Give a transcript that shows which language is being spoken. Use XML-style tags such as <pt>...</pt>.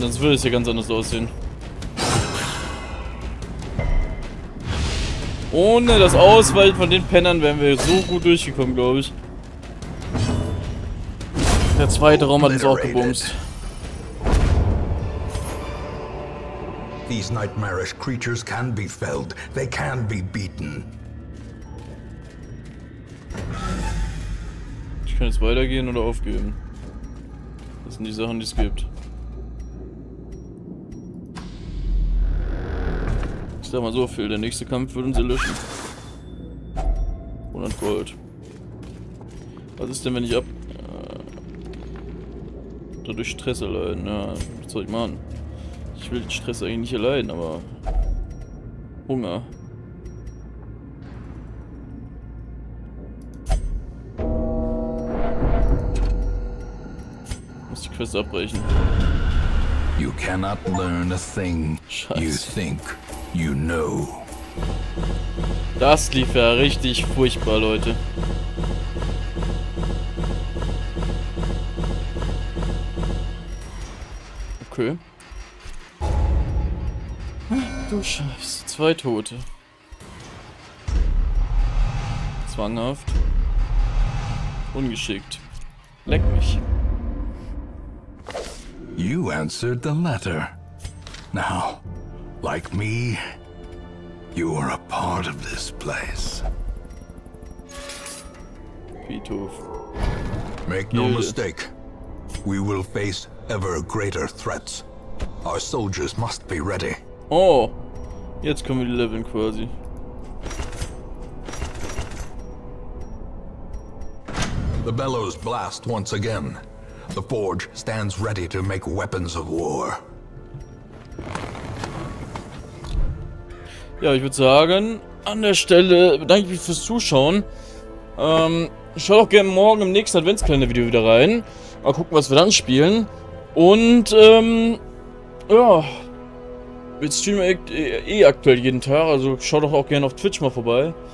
<de>Sonst würde es ja ganz anders aussehen. Ohne das Ausweichen von den Pennern wären wir so gut durchgekommen, glaube ich. Der zweite Raum hat uns auch gebumst.</de> <en>These nightmarish creatures can be felled. They can be beaten.</en> <de>Ich kann jetzt weitergehen oder aufgeben. Das sind die Sachen, die es gibt. Ich sag mal so viel, der nächste Kampf wird uns erlöschen. 100 Gold. Was ist denn, wenn ich ab... dadurch Stress erleiden, ja, was soll ich machen? Ich will den Stress eigentlich nicht erleiden, aber... Hunger. Ich muss die Quest abbrechen.</de> <en>You cannot learn a thing.</en> <de>Scheiße.</de> <en>You think you know.</en> <de>Das lief ja richtig furchtbar, Leute. Okay. Du Scheiße, zwei Tote. Zwanghaft. Ungeschickt. Leck mich.</de> <en>You answered the letter. Now, like me, you are a part of this place.</en> <de>Friedhof.</de> <en>Make no mistake. We will face ever greater threats. Our soldiers must be ready. Oh.</en> <de>Jetzt können wir die leveln quasi.</de> <en>The bellows blast once again. The forge stands ready to make weapons of war.</en> <de>Ja, ich würde sagen, an der Stelle bedanke ich mich fürs Zuschauen. Schaut auch gerne morgen im nächsten Adventskalender-Video wieder rein. Mal gucken, was wir dann spielen. Und ja. Wir streamen eh aktuell jeden Tag, also schaut doch auch gerne auf Twitch mal vorbei.</de>